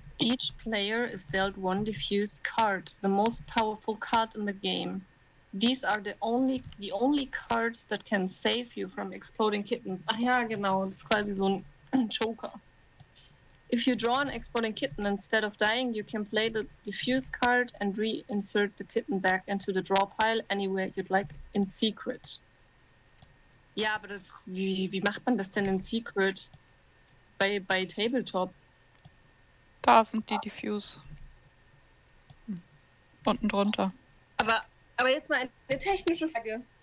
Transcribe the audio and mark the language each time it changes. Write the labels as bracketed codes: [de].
[en] Each player is dealt one diffuse card, the most powerful card in the game. These are the only cards that can save you from exploding kittens. [de] Ah ja, genau, das ist quasi so ein Joker. [en] If you draw an exploding kitten instead of dying, you can play the diffuse card and reinsert the kitten back into the draw pile anywhere you'd like in secret. [de] Ja, aber das, wie macht man das denn [en] in secret? [de] Bei Tabletop? Da sind die diffuse. Unten drunter. Aber jetzt mal eine technische Frage.